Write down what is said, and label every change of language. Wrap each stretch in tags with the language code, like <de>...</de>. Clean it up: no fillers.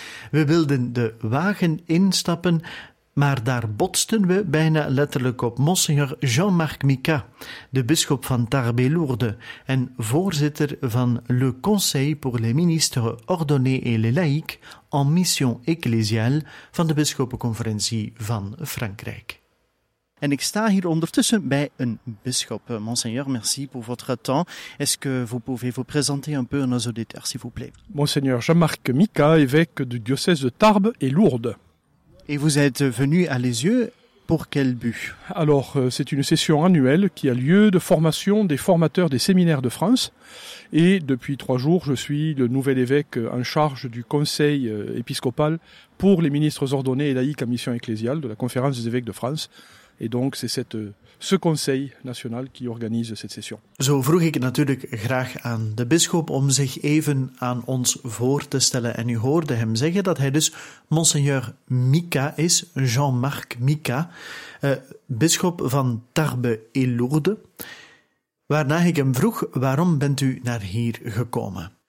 <nl>We wilden de wagen instappen, maar daar botsten we bijna letterlijk op Monseigneur Jean-Marc Mica, de bisschop van Tarbes-Lourdes en voorzitter van Le Conseil pour les ministres ordonnés et les laïcs en mission ecclésiale van de bisschoppenconferentie van Frankrijk. En ik sta hier ondertussen bij een bisschop.</nl> <fr>Monseigneur, merci pour votre temps. Est-ce que vous pouvez vous présenter un peu à nos auditeurs, s'il vous plaît? Monseigneur Jean-Marc Mica, évêque du diocèse de Tarbes et Lourdes. Et vous êtes venu à Lisieux pour quel but ? Alors, c'est une session annuelle qui a lieu de formation des formateurs des séminaires de France. Et depuis 3 jours, je suis le nouvel évêque en charge du conseil épiscopal pour les ministres ordonnés et laïcs en mission ecclésiale de la Conférence des évêques de France. Et donc, c'est ce conseil national qui organise cette session.</fr> <nl>Zo vroeg ik natuurlijk graag aan de bisschop om zich even aan ons voor te stellen. En u hoorde hem zeggen dat hij dus Monseigneur Mika is, Jean-Marc Mika, bisschop van Tarbes et Lourdes. Waarna ik hem vroeg, waarom bent u naar hier gekomen?</nl>